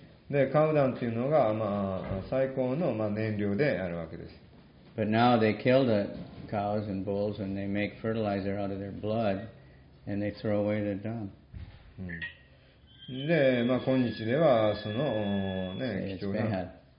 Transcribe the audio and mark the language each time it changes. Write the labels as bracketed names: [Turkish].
[Japanese] で、カウダンというのが最高の燃料であるわけです。 [English] But now they kill the cows and bulls and they make fertilizer out of their blood and they throw away the dung. [Japanese] で、まあ、今日ではそのね、貴重な、